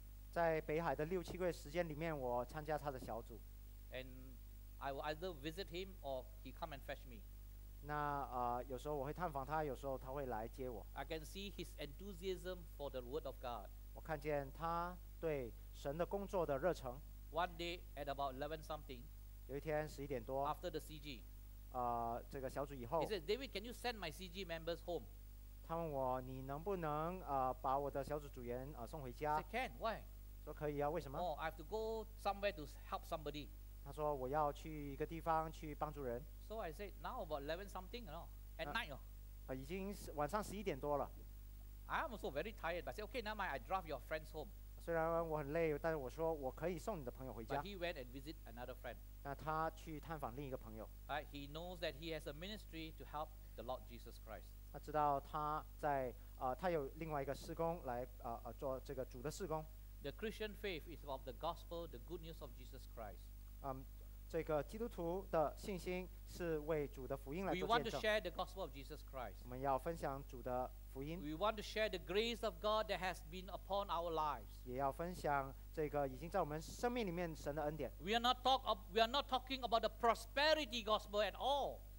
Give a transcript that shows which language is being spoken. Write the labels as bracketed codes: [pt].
[zh] 在北海的六七个月时间里面，我参加他的小组。 [en] And I will either visit him or he come and fetch me. [zh] 那有时候我会探访他，有时候他会来接我。 [en] I can see his enthusiasm for the word of God. [zh] 我看见他对神的工作的热忱。 [en] One day at about 11 something. [zh] 有一天十一点多。 [en] After the CG. [zh] 这个小组以后。 [en] He said, David, can you send my CG members home? [zh] 他问我你能不能把我的小组组员送回家 [en] I can, why? [zh] 说可以啊为什么 [en] oh, I have to go somewhere to help somebody [zh] 他说我要去一个地方去帮助人 [en] So I said now about 11 something you know, at night [zh] 已经晚上11点多了 [en] I am also very tired but I said okay now I drive your friends home so [zh] 虽然我很累，但是我说我可以送你的朋友回家。 [en] But he went and visit another friend. [zh] 那他去探访另一个朋友。 [en] Right, he knows that he has a ministry to help the Lord Jesus Christ. [zh] 他知道他在他有另外一个事工来做这个主的事工。 [en] The Christian faith is about the gospel, the good news of Jesus Christ. [zh] 这个基督徒的信心是为主的福音来做见证。 [en] We want to share the gospel of Jesus Christ. [zh] 我们要分享主的。 [en] We want to share the grace of God that has been upon our lives. [zh] 也要分享这个已经在我们生命里面神的恩典。 [en] We are not talking about the prosperity gospel at all.